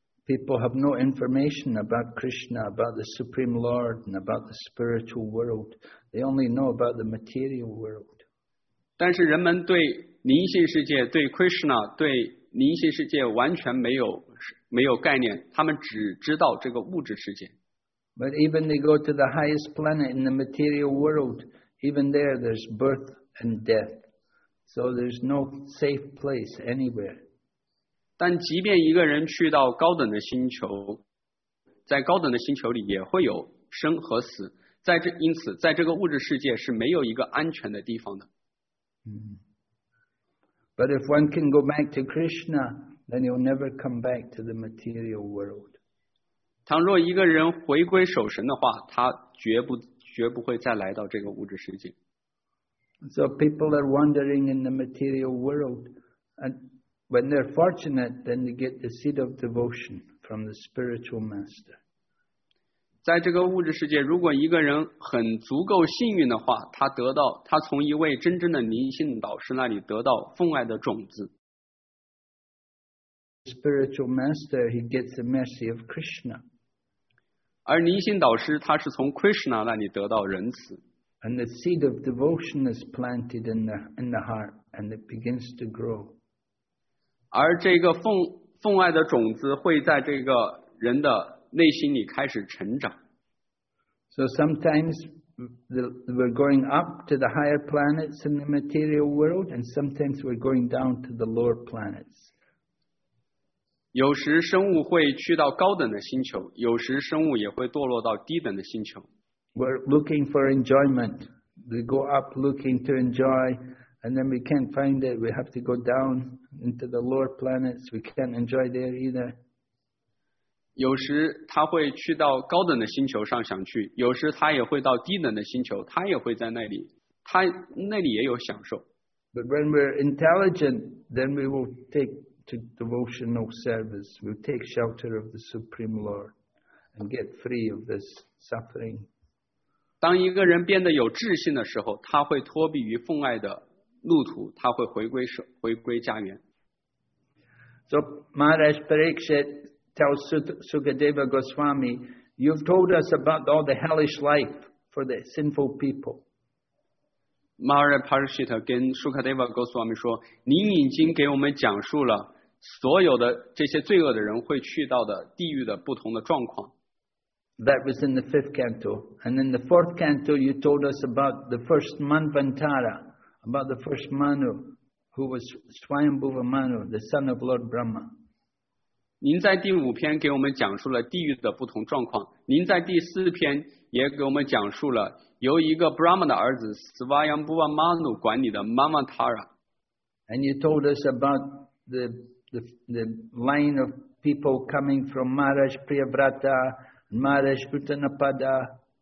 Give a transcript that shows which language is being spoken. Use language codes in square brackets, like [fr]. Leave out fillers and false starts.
[en] People have no information about Krishna, about the Supreme Lord, and about the spiritual world. They only know about the material world. [zh] 但是人们对灵性世界、对 Krishna、对灵性世界完全没有概念，他们只知道这个物质世界。 [en] But even they go to the highest planet in the material world, even there there's birth and death. So there's no safe place anywhere. [zh] 但即便一个人去到高等的星球，在高等的星球里也会有生和死。因此在这个物质世界是没有一个安全的地方的。 [en] But if one can go back to Krishna, then he'll never come back to the material world. [zh] 倘若一个人回归守神的话，他绝不会再来到这个物质世界。 [en] So people are wandering in the material world, and when they're fortunate, then they get the seed of devotion from the spiritual master. [zh] 在这个物质世界，如果一个人很足够幸运的话，他从一位真正的灵性导师那里得到奉爱的种子。 [en] Spiritual master, he gets the mercy of Krishna. [zh] 而尼辛导师他是从 Krishna 那里得到仁慈。 [en] And the seed of devotion is planted in the heart, and it begins to grow. [zh] 而这个奉爱的种子会在这个人的内心里开始成长。 [en] So sometimes we're going up to the higher planets in the material world, and sometimes we're going down to the lower planets. [zh] 有时生物会去到高等的星球，有时生物也会堕落到低等的星球。 [en] We're looking for enjoyment. We go up looking to enjoy, and then we can't find it. We have to go down into the lower planets. We can't enjoy there either. [zh] 有时他会去到高等的星球上想去，有时他也会到低等的星球，他也会在那里，他那里也有享受。 [en] But when we're intelligent, then we will take to devotional service. We'll take shelter of the Supreme Lord and get free of this suffering. [zh] 当一个人变得有智性的时候，他会脱避于奉爱的路途，他会回归家园。 [en] So Maharaj Parikshit tells Sukadeva Goswami, "You've told us about all the hellish life for the sinful people." [zh] Maharaj Parikshit 跟 Sukadeva Goswami 说，您已经给我们讲述了所有的这些罪恶的人会去到的地狱的不同的状况。 [en] That was in the fifth canto. And in the fourth canto, you told us about the first Manvantara, about the first Manu, who was Swayambhuva Manu, the son of Lord Brahma. [zh] 您在第五篇给我们讲述了地狱的不同状况。您在第四篇也给我们讲述了由一个 Brahma 的儿子 Swayambhuva Manu 管理的 Manvantara. [en] And you told us about the line of people coming from Maharaj Priyavrata,Maharaj Uttanapada.